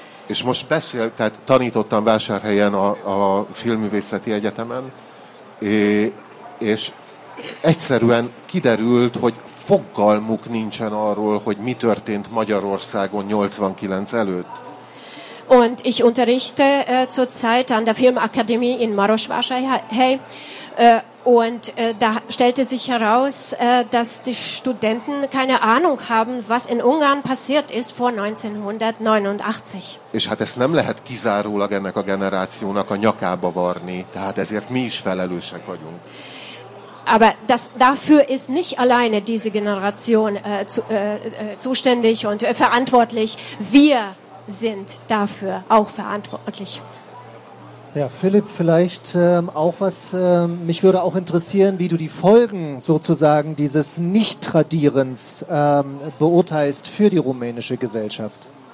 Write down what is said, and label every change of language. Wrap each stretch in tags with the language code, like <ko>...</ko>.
<hu>És most beszéltem, tanítottam Vásárhelyen a Filmművészeti Egyetemen, és egyszerűen kiderült, hogy fogalmuk nincsen arról, hogy mi történt Magyarországon 89 előtt.</hu> <de>Und ich unterrichte zurzeit an der Filmakademie in Marosvásárhely, und da stellte sich heraus, dass die Studenten keine Ahnung haben, was in Ungarn passiert ist vor 1989.</de> <hu>És hát ezt nem lehet kizárólag ennek a generációnak a nyakába varni, tehát ezért mi is felelősek vagyunk.</hu> <de>Aber das, dafür ist nicht alleine diese Generation zuständig und verantwortlich. Wir sind dafür auch verantwortlich. Ja, Philipp, vielleicht auch was, mich würde auch interessieren, wie du die Folgen sozusagen dieses Nicht-Tradierens beurteilst für die rumänische Gesellschaft.</de>